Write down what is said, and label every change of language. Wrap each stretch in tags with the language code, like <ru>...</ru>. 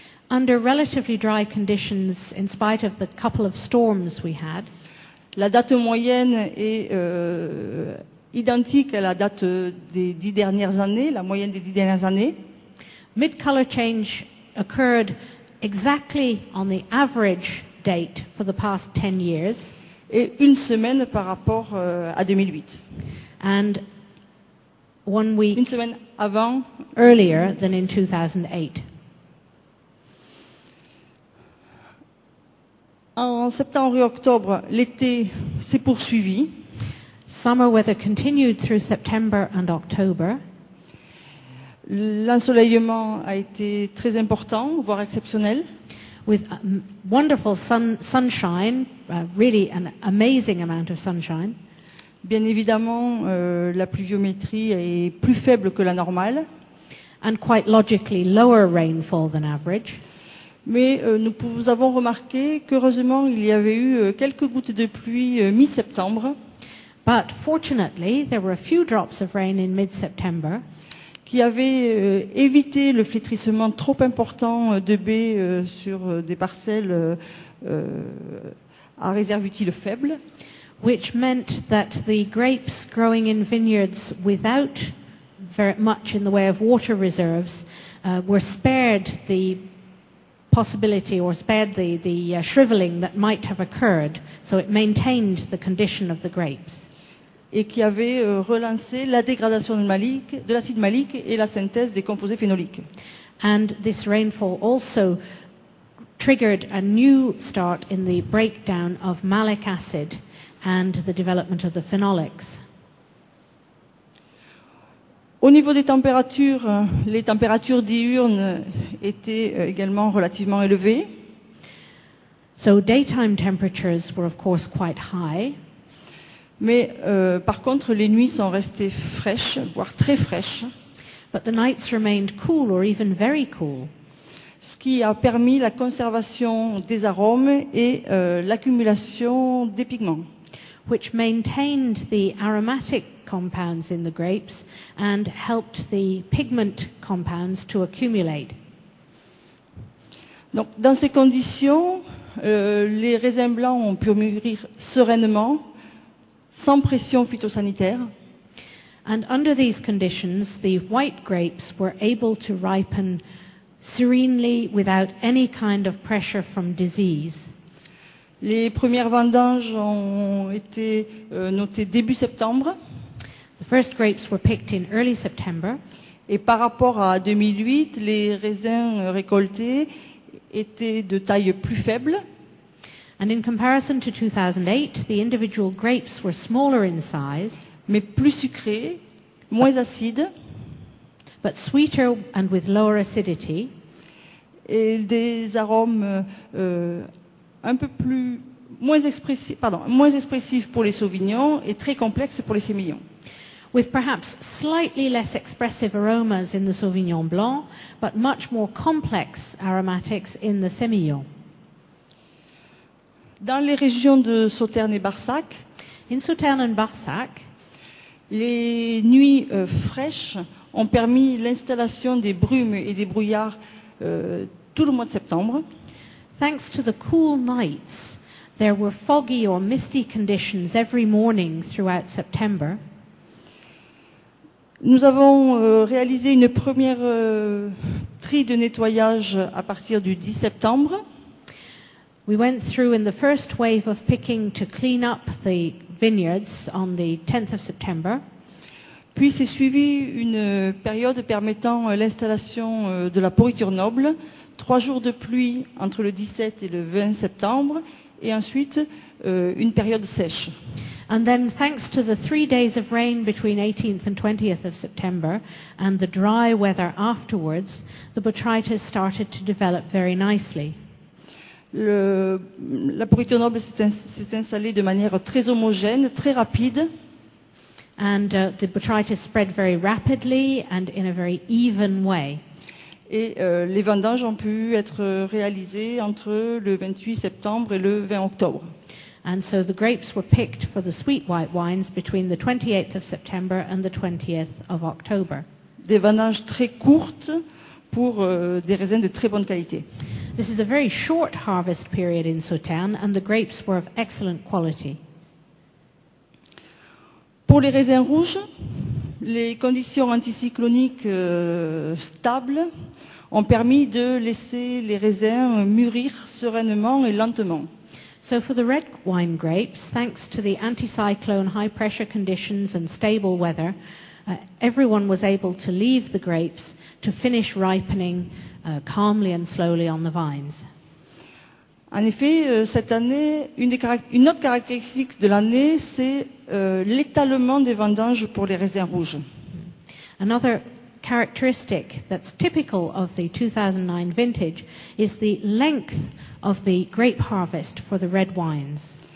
<en>Under relatively dry conditions in spite of the couple of storms we had.</en> <fr>La date moyenne est identique à la date des 10 dernières années, la moyenne des 10 dernières années.</fr> <en>Mid-color change occurred exactly on the average date for the past 10 years.</en> <fr>Et une semaine par rapport à 2008.</fr> <en>And one week</en> <fr>une semaine avant</fr> <en>earlier than in 2008.</en> <fr>En septembre et octobre, l'été s'est poursuivi.</fr> <en>Summer weather continued through September and October.</en> <fr>L'ensoleillement a été très important, voire exceptionnel.</fr> <en>With wonderful sunshine, really an amazing amount of sunshine.</en> <fr>Bien évidemment, la pluviométrie est plus faible que la normale.</fr> <en>And quite logically, lower rainfall than average.</en> <fr>Mais nous avons remarqué qu'heureusement, il y avait eu quelques gouttes de pluie mi-septembre.</fr> <en>But fortunately, there were a few drops of rain in mid-September.</en> <fr>Qui avait évité le flétrissement trop important de baies sur des parcelles à réserve utile faible.</fr> <en>Which meant that the grapes growing in vineyards without very much in the way of water reserves were spared the possibility or spared the shriveling that might have occurred. So it maintained the condition of the grapes.</en> <fr>Et qui avait relancé la dégradation de l'acide malique et la synthèse des composés phénoliques.</fr> <en>And this rainfall also triggered a new start in the breakdown of malic acid and the development of the phenolics.</en> <fr>Au niveau des températures, les températures diurnes étaient également relativement élevées.</fr> <en>So daytime temperatures were of course quite high.</en> <fr>Mais par contre, les nuits sont restées fraîches, voire très fraîches.</fr> <en>But the nights remained cool or even very cool.</en> <fr>Ce qui a permis la conservation des arômes et l'accumulation des pigments.</fr> <en>Which maintained the aromatic compounds in the grapes and helped the pigment compounds to accumulate.</en> <fr>Donc, dans ces conditions, les raisins blancs ont pu mûrir sereinement. Sans pression phytosanitaire.</fr> <en>And under these conditions, the white grapes were able to ripen serenely without any kind of pressure from disease.</en> <fr>Les premières vendanges ont été notées début septembre.</fr> <en>The first grapes were picked in early September.</en> <fr>Et par rapport à 2008, les raisins récoltés étaient de taille plus faible.</fr> <en>And in comparison to 2008, the individual grapes were smaller in size,</en> <fr>mais plus sucrés, moins acides,</fr> <en>but sweeter and with lower acidity,</en> <fr>et des arômes un peu plus moins expressifs pour les sauvignons et très complexes pour les sémillons.</fr> <en>With perhaps slightly less expressive aromas in the Sauvignon Blanc, but much more complex aromatics in the Sémillon.</en> <fr>Dans les régions de Sauternes et Barsac,</fr> <en>in Sauternes and Barsac,</en> <fr>les nuits fraîches ont permis l'installation des brumes et des brouillards tout le mois de septembre.</fr> <en>Thanks to the cool nights, there were foggy or misty conditions every morning throughout September.</en> <fr>Nous avons réalisé une première tri de nettoyage à partir du 10 septembre.</fr> <en>We went through in the first wave of picking to clean up the vineyards on the 10th of September.</en> <fr>Puis s'est suivie une période permettant l'installation de la pourriture noble, 3 jours de pluie entre le 17 et le 20 septembre, et ensuite une période sèche.</fr> <en>And then, thanks to the 3 days of rain between 18th and 20th of September and the dry weather afterwards, the botrytis started to develop very nicely.</en> <fr>La pourriture noble s'est installée de manière très homogène, très rapide.</fr> <en>And the botrytis spread very rapidly and in a very even way.</en> <fr>Et les vendanges ont pu être réalisées entre le 28 septembre et le 20 octobre.</fr> <en>And so the grapes were picked for the sweet white wines between the 28th of September and the 20th of October.</en> <fr>Des vendanges très courtes pour des raisins de très bonne qualité.</fr> <en>This is a very short harvest period in Sauternes and the grapes were of excellent quality.</en> <fr>Pour les raisins rouges, les conditions anticycloniques stables ont permis de laisser les raisins mûrir sereinement et lentement.</fr> <en>So for the red wine grapes, thanks to the anticyclone high pressure conditions and stable weather, everyone was able to leave the grapes to finish ripening calmly and slowly on the vines.</en> <fr>En effet, cette année, une autre caractéristique de l'année, c'est l'étalement des vendanges pour les raisins rouges.</fr> <en>Another characteristic that's typical of the 2009 vintage is the length of the grape harvest for the red wines.</en>